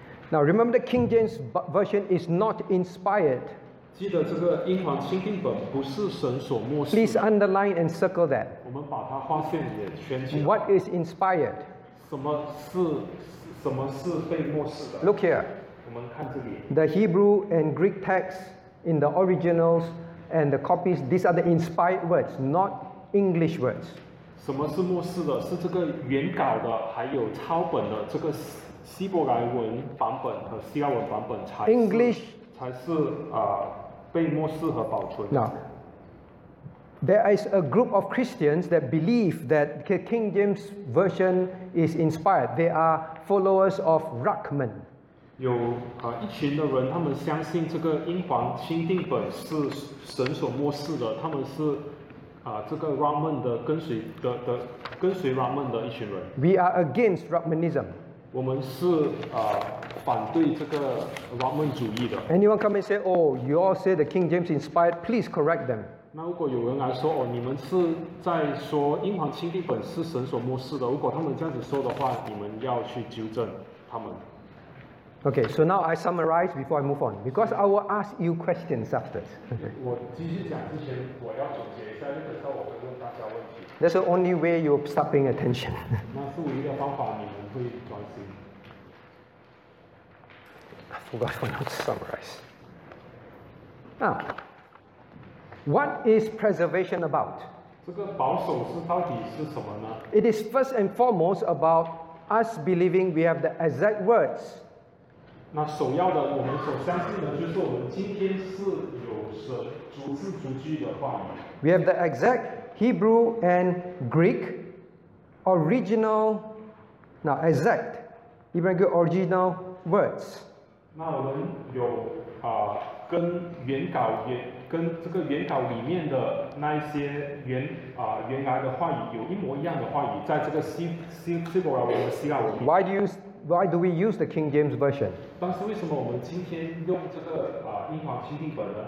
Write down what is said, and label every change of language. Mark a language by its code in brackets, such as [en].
[en] Now remember, the King James version is not inspired. [zh] 记得这个英皇钦定本不是神所默示。 [en] Please underline and circle that. [zh] 我们把它划线也圈起来。 [en] What is inspired? [zh] 什么是被默示的 [en] ？Look here. [zh] 我们看这里。 [en] The Hebrew and Greek texts in the originals and the copies, these are the inspired words, not English words. [zh] 什么是默示的？是这个原稿的，还有抄本的，这个希伯来文版本和希腊文版本才是 [en] English, [zh] 才是被默示和保存的。 [en] Now, there is a group of Christians that believe that the King James version is inspired. They are followers of Ruckman. [zh] 有一群的人，他们相信这个英皇钦定本是神所默示的，他们是。这个 Ruckman 的跟随 Ruckman 的一群人。 [en] We are against Ruckmanism. [zh] 我们是反对这个 Ruckman 主义的。 [en] Anyone come and say, "Oh, you all say the King James inspired"? Please correct them. [zh] 那如果有人来说，哦，你们是在说英皇钦定本是神所默示的，如果他们这样子说的话，你们要去纠正他们。 [en] Okay, so now I summarize before I move on, because I will ask you questions after. [zh] 我继续讲之前，我要总结一下，因为等下我会问大家问题。 [en] That's the only way you stop paying attention. [zh] 那是唯一的方法，你们会专心。 [en] I forgot how to summarize. Now, what is preservation about? [zh] 这个保守是到底是什么呢？ [en] It is first and foremost about us believing we have the exact words. [zh] 那首要的，我们所相信的就是我们今天是有神逐字逐句的话语。 [en] We have the exact Hebrew and Greek original, now exact Hebrew and Greek original words. [zh] 那我们有跟原稿跟这个原稿里面的那一些原来的话语有一模一样的话语，在这个希伯来文和希腊文。 [en] Why do we use the King James Version? [zh] 但是为什么我们今天用这个英皇钦定本呢？